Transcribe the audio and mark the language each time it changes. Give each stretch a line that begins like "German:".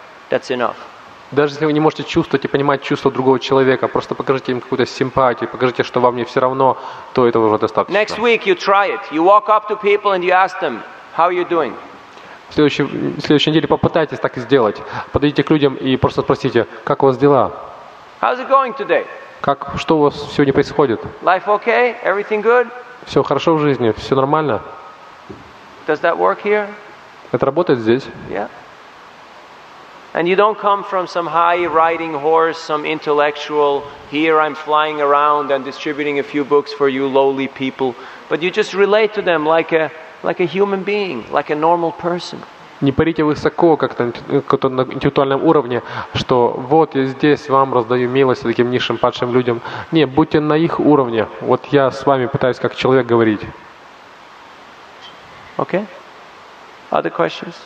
Russian: Даже если вы не можете чувствовать и понимать чувства другого человека, просто покажите им какую-то симпатию, покажите, что вам не все равно, то этого уже достаточно.
English: Next week you try it. You walk up to people and you ask them, how are you doing?
Russian: В следующей неделе попытайтесь так и сделать. Подойдите к людям и просто спросите, как у вас дела?
English: How's it going today?
Russian: Как, что у вас сегодня происходит?
English: Life okay? Everything good?
Russian: Все хорошо в жизни? Все нормально?
English: Does that work here?
Russian: Это работает здесь?
English: Yeah. And you don't come from some high riding horse, some intellectual, here I'm flying around and distributing a few books for you lowly people, but you just relate to them like a human being, like a normal person.
Russian: Не парите высоко, как-то на интеллектуальном уровне, что вот я здесь вам раздаю милость таким низшим падшим людям. Не, будьте на их уровне. Вот я с вами пытаюсь как человек говорить.
English: Okay. Other questions?